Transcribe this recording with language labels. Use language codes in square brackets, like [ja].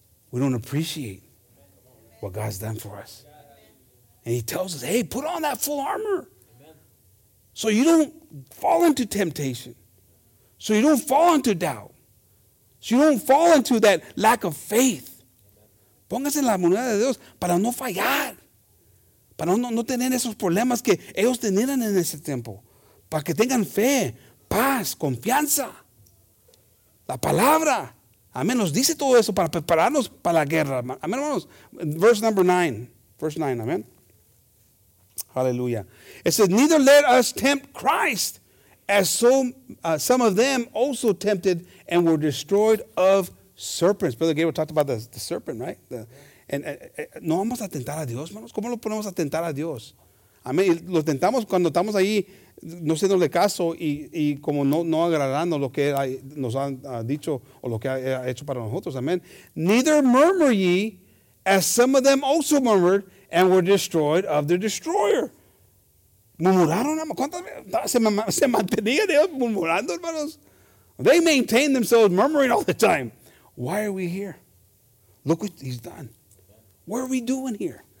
[en] We don't appreciate what God's done for us. And he tells us, hey, put on that full armor. So you don't fall into temptation. So you don't fall into doubt. So you don't fall into that lack of faith. [es] Póngase la moneda de Dios para no fallar. Para no tener esos problemas que ellos tenían en ese tiempo. Para que tengan fe, paz, confianza. La palabra. Amén. Nos dice todo eso para prepararnos para la guerra. Amén, hermanos. [en] Verse number 9. Verse 9. [es] Amén. Hallelujah. [en] It says, neither let us tempt Christ, as some of them also tempted and were destroyed of serpents. Brother Gabriel talked about the serpent, right? [es] No vamos a tentar a Dios, hermanos. ¿Cómo lo ponemos a tentar a Dios? Amén. Lo tentamos cuando estamos ahí, no haciéndole caso y como no agradando lo que nos han dicho o lo que ha hecho para nosotros. Amén. [en] Neither murmur ye, as some of them also murmured, and were destroyed of their destroyer. [es] ¿Murmuraron? ¿Cuántas se mantenían ellos murmurando, hermanos? [en] They maintain themselves murmuring all the time. Why are we here? Look what he's done. What are we doing here?